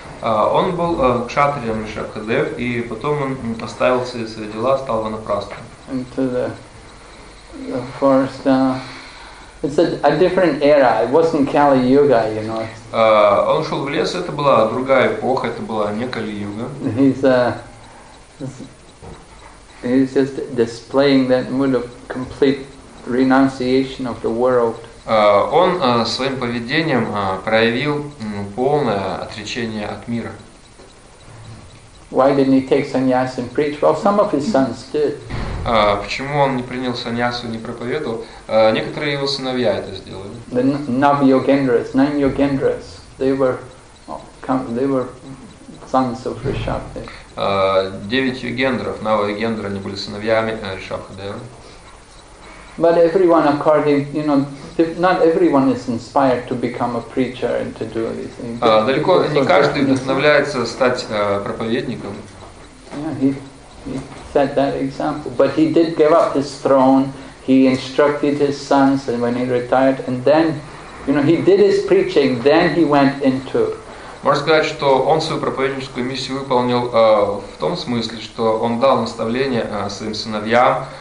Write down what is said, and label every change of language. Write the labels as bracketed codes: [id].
[ru] Он был кшатрием Ришабхадев, и потом он оставил все свои дела, стал ванапрастха. [en] Into the forest. It's a different era. It wasn't Kali Yuga, you know. [ru] Он ушел в лес, это была другая эпоха, это была не Кали-Юга. [en] He's just displaying that mood of complete renunciation of the world. [ru] Он своим поведением проявил полное отречение от мира. [en] Why didn't he take sannyas and preach? Well, some of his sons did. [ru] Почему он не принял саньясу, не проповедовал? Некоторые его сыновья это сделали. [en] The nine yogendras, they were sons of Rishabhadev. [ru] Девять югендров, нава югендры, они были сыновьями Ришабхадева. [en] But everyone according, you know, not everyone is inspired to become a preacher and to do these things. [ru] Далеко не каждый вдохновляется стать проповедником. [en] Yeah, He set that example. But he did give up his throne. He instructed his sons and when he retired. And then, you know, he did his preaching. Then he went into... [ru] Можно сказать, что он свою проповедническую миссию выполнил в том смысле, что он дал наставление своим сыновьям.